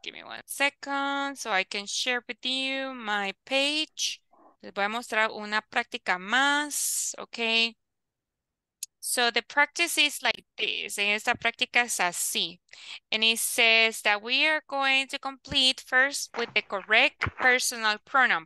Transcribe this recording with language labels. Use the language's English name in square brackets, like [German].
[English] Give me 1 second so I can share with you my page. [Spanish] Les voy a mostrar una práctica más, okay? [English] So the practice is like this. En esta práctica es así. And it says that we are going to complete first with the correct personal pronoun.